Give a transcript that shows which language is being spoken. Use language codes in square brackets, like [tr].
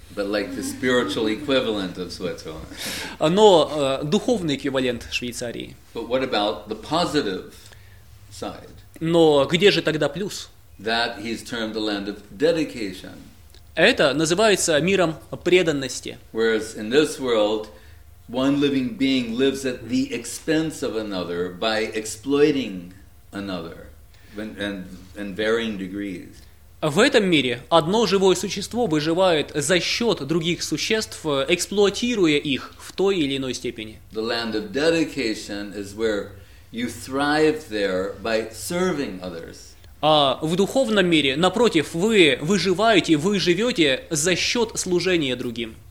[en] But like the spiritual equivalent of Switzerland. [ru] Но духовный эквивалент Швейцарии. [en] But what about the positive side? [ru] Но где же тогда плюс? [en] That he's termed the land of dedication. [ru] Это называется миром преданности. [en] Whereas in this world, one living being lives at the expense of another by exploiting another. And varying degrees. [ru] В этом мире одно живое существо выживает за счет других существ, эксплуатируя их в той или иной степени. [en] The land of dedication is where you thrive there by serving others. [ru] А в духовном мире, напротив, вы выживаете, вы живете за счет служения другим.